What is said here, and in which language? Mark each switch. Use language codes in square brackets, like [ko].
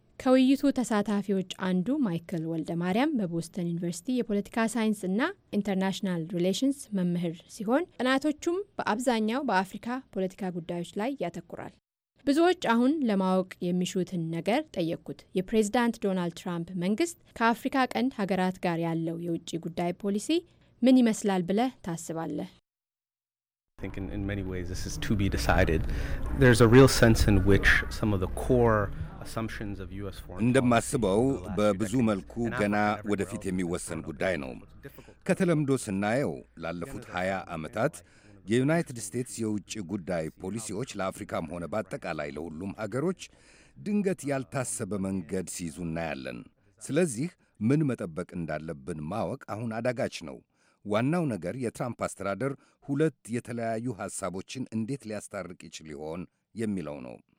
[am] ከውይይቱ ተሳታፊዎች አንዱ ማይክል ወልደ ማርያም በቦስተን ዩኒቨርሲቲ የፖለቲካ ሳይንስ እና ኢንተርናሽናል ሪሌሽንስ መምህር ሲሆን ጥናቶቹም በአብዛኛው በአፍሪካ ፖለቲካ ጉዳዮች ላይ ያተኩራል። ብዙዎች አሁን ለማወቅ የሚሹትን ነገር ጠየቁት። የፕሬዝዳንት ዶናልድ ትራምፕ መንግስት ከአፍሪካ ቀንድ ሀገራት ጋር ያለው የውጭ ጉዳይ ፖሊሲ ምን ይመስላል ብለህ ታስባለህ? [en] I think in many ways this is to be decided. There's a real sense in which some of the core assumptions of US foreign [am] እንደማስበው በብዙ መልኩ ገና ወደፊት የሚወሰን ጉዳይ ነው። ከተለምዶ ስናየው ላለፉት 20 አመታት የዩናይትድ ስቴትስ የውጭ ጉዳይ ፖሊሲዎች ለአፍሪካም ሆነ በአጠቃላይ ለሁሉም ሀገሮች ድንገት ያልታሰበ መንገድ ሲይዙና ያለን። ስለዚህ ምን መጠበቅ እንዳለብን ማወቅ አሁን አዳጋች ነው። ዋናው ነገር የትራምፕ አስተዳደር ሁለት የተለያዩ ሐሳቦችን እንዴት ሊያስታርቅ ይችል ይሆን የሚለው ነው።